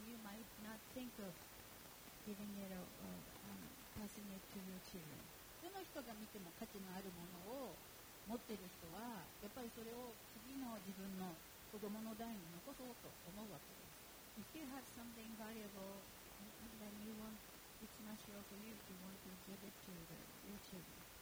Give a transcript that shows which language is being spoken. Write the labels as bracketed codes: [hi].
[en] giving it a, passing it to your children. [ja] 普通の人が見ても価値のあるものを持ってる人はやっぱりそれを次の自分の子供の代に残そうと思うわけです。 [en] If you have something valuable and then you want it's not sure for you if you want to give it to the, your children.